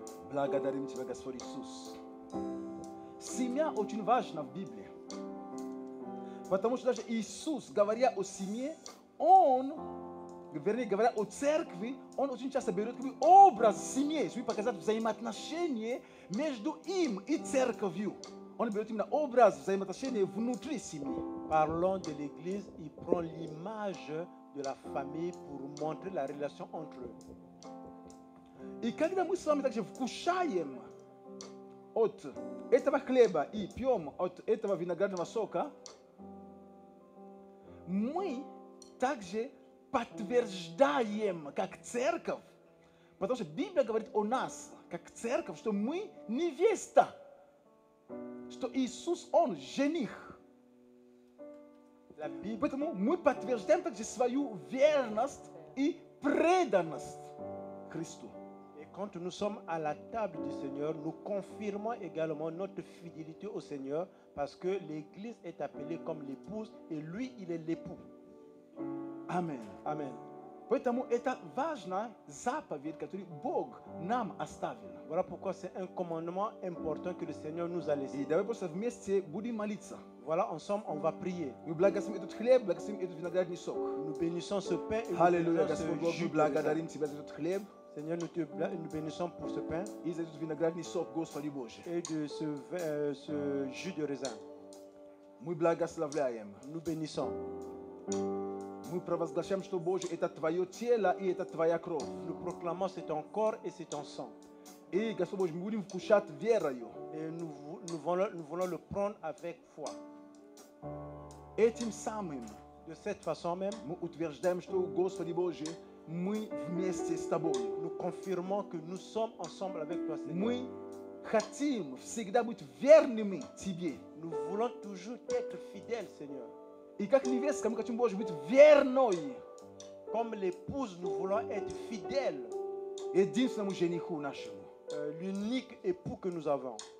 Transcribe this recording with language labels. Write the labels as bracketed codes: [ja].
[ru] Благодарим тебя, Господь Иисус. Семья очень важна в Библии, потому что даже Иисус, говоря о семье, Он, вернее, говоря о церкви, Он очень часто берет образ семьи, чтобы показать взаимоотношения между Им и церковью. Он берет именно образ взаимоотношения внутри семьи. [fr] Parlons de l'église, il prend l'image de la famille pour montrer la relation entre eux. [ru] И когда мы с вами также вкушаем от этого хлеба и пьем от этого виноградного сока, мы также подтверждаем как церковь, потому что Библия говорит о нас, как церковь, что мы невеста, что Иисус, Он жених. Поэтому мы подтверждаем также свою верность и преданность Христу. [fr] Quand nous sommes à la table du Seigneur, nous confirmons également notre fidélité au Seigneur parce que l'Église est appelée comme l'épouse et lui, il est l'époux. Amen. Amen. [ru] Поэтому это важна заповедь, которую Бог нам оставил. [fr] Voilà pourquoi c'est un commandement important que le Seigneur nous a laissé. [ru] И давай просто вместе будем молиться. [fr] Voilà, ensemble, on va prier. [ru] Мы благодарим этот хлеб, благодарим этот виноградный сок. [fr] Nous bénissons ce pain et Alléluia, ce jus. [ru] Мы благодарим тебя за этот хлеб. [fr] Seigneur, nous te bénissons pour ce pain et de ce jus de raisin. Nous bénissons. [ru] Мы провозглашаем, что Божье это твое тело и это твоя кровь. [fr] Nous proclamons c'est ton corps et c'est ton sang. [ru] Et Господь Божий, мы будем кушать верою. [fr] Et nous voulons le prendre avec foi. [ru] Этим самым. [fr] De cette façon même. [ru] Мы утверждаем, что Господь Божий. Мы вместе с тобой. [fr] Nous confirmons que nous sommes ensemble avec toi, Seigneur. [ru] Мы хотим всегда быть верными тебе. [fr] Nous voulons toujours être fidèles, Seigneur. [ru] И как невеста, мы хотим Боже быть верной. [fr] Comme l'épouse, nous voulons être fidèles. [ru] Единственному жениху нашему. [fr] L'unique époux que nous avons.